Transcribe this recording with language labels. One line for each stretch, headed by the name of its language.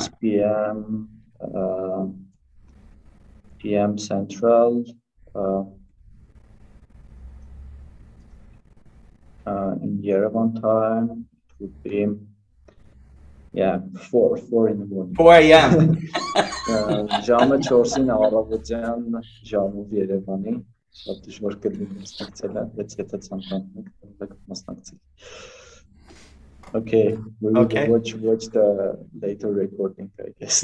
English: 6 PM PM Central, in Yerevan time, it would be, four in the morning. 4 AM.
Armenian: Ժամը 4-ին առավոտյան, ժամով Երևանի, շատ դժվար կլինի մասնակցելը, բայց եթե ցանկանաք, կարող եք մասնակցել.
English: Okay, we will watch the later recording, I guess.